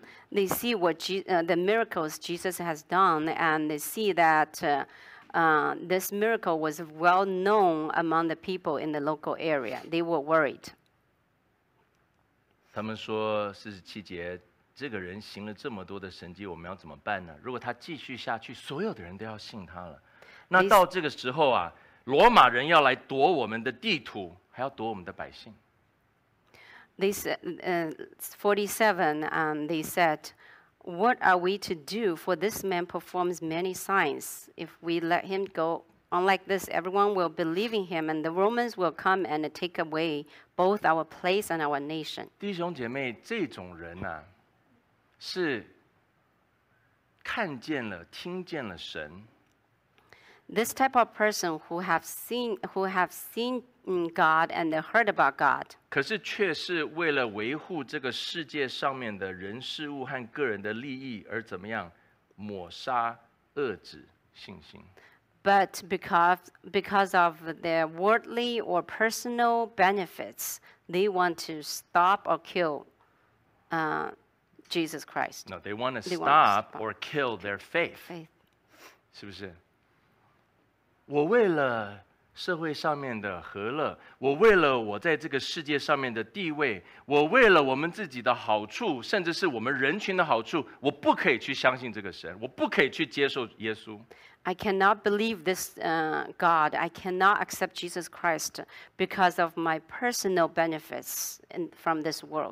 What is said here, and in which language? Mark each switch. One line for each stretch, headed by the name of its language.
English: They see the miracles Jesus has done, and they see that. This miracle was well known among the people in the local area. They were worried.
Chinese: 他们说47节，这个人行了这么多的神迹，我们要怎么办呢？如果他继续下去，所有的人都要信他了。那到这个时候啊，罗马人要来夺我们的地土，还要夺我们的百姓。
English: This 47, and they said,What are we to do? For this man performs many signs. If we let him go on like this, everyone will believe in him, and the Romans will come and take away both our place and our nation.
Chinese: 弟兄姐妹，这种人啊，是看见了、听见了神。
English: This type of person who have seen God and they heard about God.
Chinese: 可是却是为了维护这个世界上面的人事物和个人的利益而怎么样抹杀遏制信心。
English: But because of their worldly or personal benefits, they want to stop or kill Jesus Christ. No, they want to stop or kill their faith.
Chinese: Faith. 是不是？我为了社会上面的和乐，我为了我在这个世界上面的地位，我为了我们自己的好处，甚至是我们人群的好处，我不可以去相信这个神，我不可以去接受耶稣。
English: I cannot believe this God. I cannot accept Jesus Christ because of my personal benefits in, from this world.